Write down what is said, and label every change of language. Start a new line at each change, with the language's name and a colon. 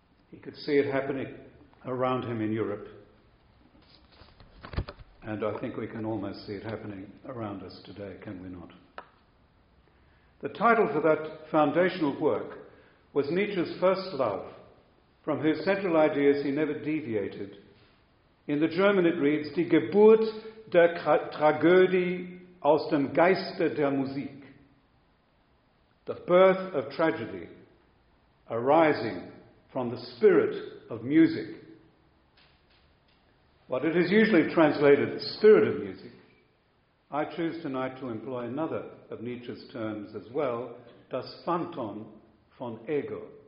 English: He could see it happening around him in Europe, and I think we can almost see it happening around us today, can we not? The title for that foundational work was Nietzsche's First Love, from whose central ideas he never deviated.
German: In the German it reads, Die Geburt der Tragödie aus dem Geiste der Musik.
English: The birth of tragedy arising from the spirit of music. What it is usually translated, the spirit of music, I choose tonight to employ another of Nietzsche's terms as well,
German: das Phantom von Ego.